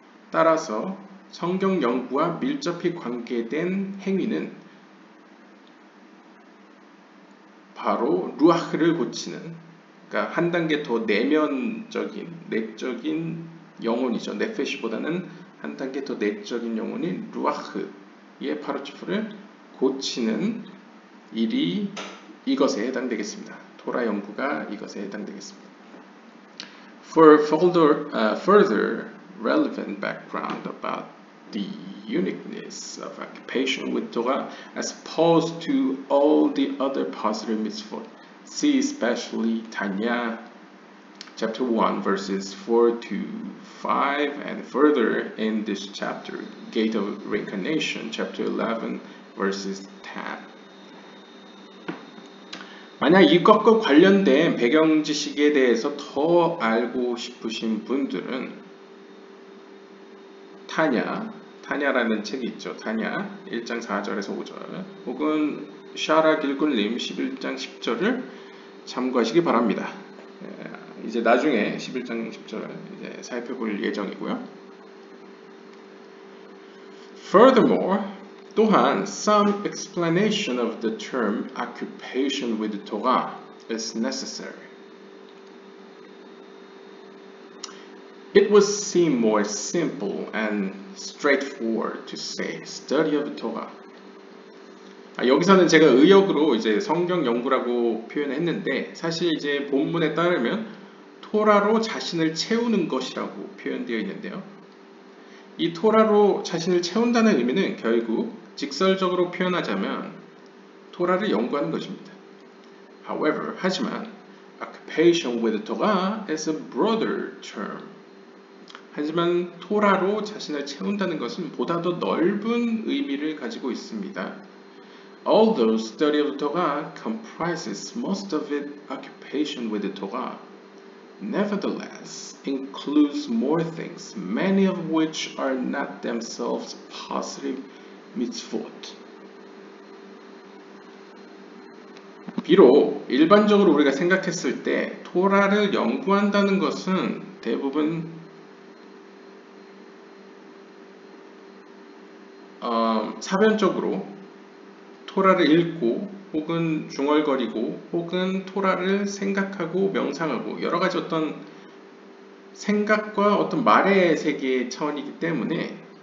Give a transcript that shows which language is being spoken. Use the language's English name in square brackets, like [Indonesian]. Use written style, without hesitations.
[Korean] 따라서 성경 연구와 밀접히 관계된 행위는 바로 루아흐를 고치는, 그러니까 한 단계 더 내면적인, 내적인 영혼이죠. 네페시보다는 한 단계 더 내적인 영혼인 루아흐의 파르츠프를 고치는 일이 이것에 해당되겠습니다. 토라 연구가 이것에 해당되겠습니다. [English] For further relevant background about the uniqueness of occupation with Torah as opposed to all the other positive mitzvot, see especially Tanya chapter 1 verses 4 to 5 and further in this chapter, Gate of Reincarnation chapter 11 verses 10. [Korean] 만약 이것과 관련된 배경 지식에 대해서 더 알고 싶으신 분들은 타냐라는 책이 있죠. 타냐 1장 4절에서 5절 혹은 샤라 길굴림 11장 10절을 참고하시기 바랍니다. 이제 나중에 11장 10절을 이제 살펴볼 예정이고요. [English] Furthermore, [Korean] 또한 [English] some explanation of the term occupation with the Torah is necessary. It would seem more simple and straightforward to say study of the Torah. [Korean] 아, 여기서는 제가 의역으로 이제 성경 연구라고 표현했는데 사실 이제 본문에 따르면 토라로 자신을 채우는 것이라고 표현되어 있는데요. 이 토라로 자신을 채운다는 의미는 결국 직설적으로 표현하자면 토라를 연구하는 것입니다. [English] However, [Korean] 하지만 [English] occupation with the Torah is a broader term. [Korean] 하지만 토라로 자신을 채운다는 것은 보다 더 넓은 의미를 가지고 있습니다. [English] Although study of the Torah comprises most of its occupation with the Torah, nevertheless includes more things, many of which are not themselves positive mitzvot. [Korean] 비록 일반적으로 우리가 생각했을 때 토라를 연구한다는 것은 대부분 사변적으로 토라를 읽고 혹은 중얼거리고 혹은 토라를 생각하고 명상하고 여러 가지 어떤 생각과 어떤 말의 세계의 차원이기 때문에